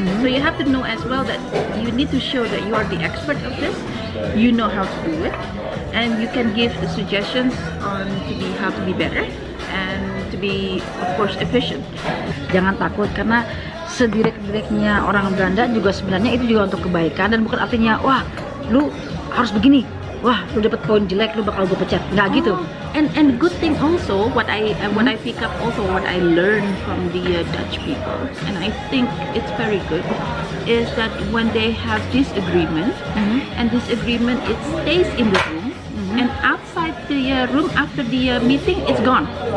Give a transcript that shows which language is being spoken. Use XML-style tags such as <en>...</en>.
<en>So you have to know as well that you need to show that you are the expert of this. You know how to do it, and you can give the suggestions on how to be better and to be of course efficient.</en> <id>Jangan takut karena sedirek-direknya orang Belanda juga sebenarnya itu juga untuk kebaikan, dan bukan artinya wah lu harus begini, wah lu dapat poin jelek lu bakal gue pecat, nggak gitu.</id> <en>And good thing also what I pick up also what I learn from the Dutch people, and I think it's very good, is that when they have disagreement and disagreement it stays in the room and outside the room after the meeting it's gone.</en>